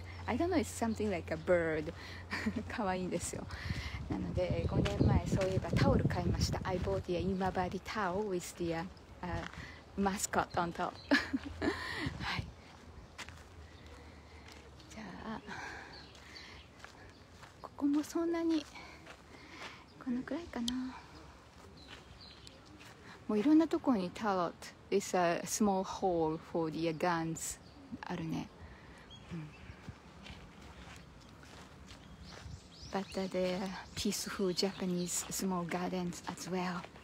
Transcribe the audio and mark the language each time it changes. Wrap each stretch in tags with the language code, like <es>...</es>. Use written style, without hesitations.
<en>I don't know, it's something like a bird.</en> <ja>かわいいんですよ。なので5年前そういえばタオル買いました。</ja> <en>I bought the 今治 towel with the mascot on top.</en> <ja>、はい、じゃあここもそんなにこのくらいかな。もういろんなところにタロット</ja> <en>It's a small hole for the guns</en> <ja>あるね、うん、</ja> <en>But there are peaceful Japanese small gardens as well。</en>